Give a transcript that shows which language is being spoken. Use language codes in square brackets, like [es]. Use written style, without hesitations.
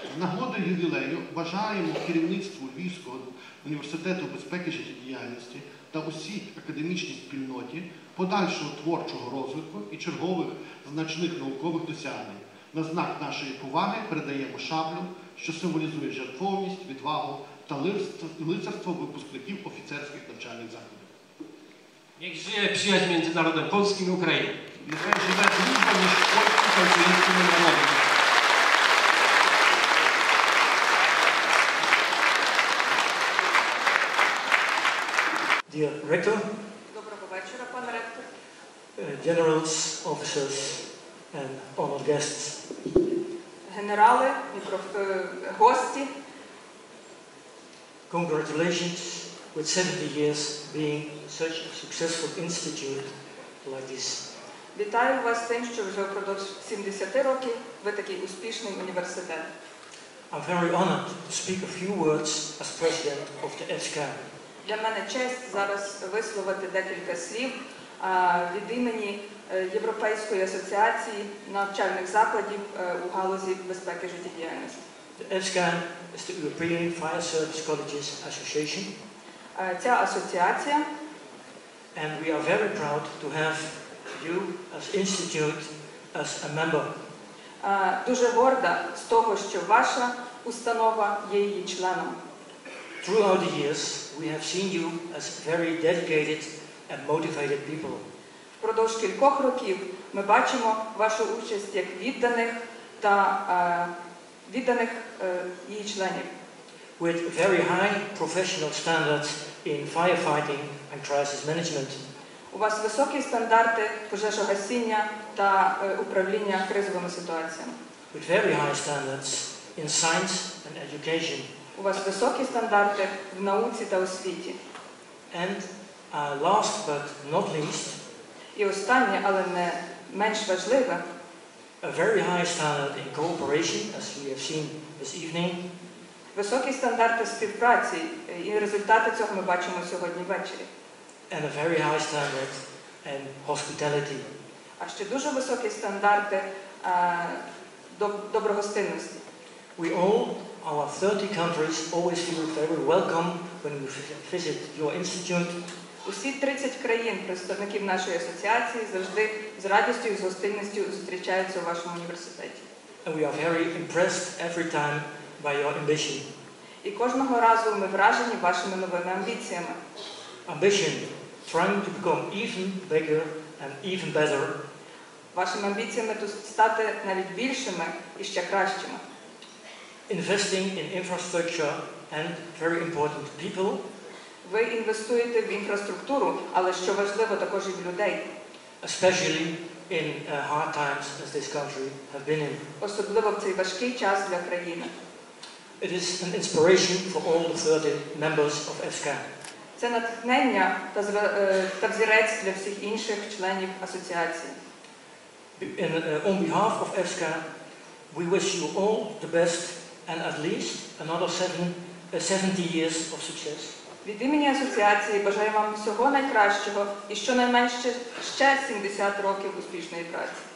[uk] З нагоди ювілею бажаємо керівництву Львівського університету безпеки життєдіяльності та усій академічній спільноті подальшого творчого розвитку і чергових значних наукових досягнень. На знак нашої поваги передаємо шаблю, що символізує жертовність, відвагу та лицарство випускників офіцерських навчальних закладів. [pl] Niech żyje przyjaźń między narodem polskim i Ukrainą. Niech żyje dłużej niż polskim i ukraińskim narodem. [en] Dear Rector. [uk] Доброго вечора, пане ректор. [en] Generals, officers and honored guests. [uk] Генерали і гості. [en] Congratulations. With 70 years being such a successful institute like this. [uk] Вітаю вас з тим, що вже впродовж 70 років ви такий успішний університет. [en] I'm very honored to speak a few words as president of the ESCA. [uk] Для мене честь зараз висловити декілька слів від імені Європейської асоціації навчальних закладів у галузі безпеки життєдіяльності. [en] The ESCA is the European Fire Service Colleges Association. [uk] Ця асоціація. [en] And we are very proud to have you as institute as a member. [uk] Дуже горда з того, що ваша установа є її членом. [en] Throughout the years, we have seen you as very dedicated and motivated people. [uk] Впродовж кількох років ми бачимо вашу участь як відданих та відданих її членів. [en] With very high professional standards in firefighting and crisis management. [uk] У вас високі стандарти пожежогасіння та управління кризовими ситуаціями. [en] With very high standards in science and education. [uk] У вас високі стандарти в науці та освіті. [en] And last but not least. [uk] І останнє, але не менш важливе. [en] A very high standard in cooperation, as we have seen this evening. [uk] Високі стандарти співпраці і результати цього ми бачимо сьогодні ввечері. [en] And a very high standard and hospitality. [uk] А ще дуже високі стандарти доброгостинності. [en] We all our 30 countries always feel very welcome when you visit your institute. [uk] Усі 30 країн, представників нашої асоціації, завжди з радістю і з гостинністю зустрічаються у вашому університеті. [en] And we are very impressed every time by your ambition. [uk] І кожного разу ми вражені вашими новими амбіціями. [en] Ambition, trying to become even bigger and even better. [uk] Вашими амбіціями тут стати навіть більшими і ще кращими. [en] Investing in infrastructure and very important people. [uk] Ви інвестуєте в інфраструктуру, але що важливо, також і в людей. [en] Especially in hard times as this country has been in. [uk] Особливо в цей важкий час для країни. [en] It is an inspiration for all the 30 members of ESCA. [uk] Це натхнення та взірець для всіх інших членів асоціації. [en] And on behalf of ESCA, we wish you all the best and at least another 70 years of success. [uk] Від імені асоціації бажаю вам всього найкращого і щонайменше ще 70 років успішної праці.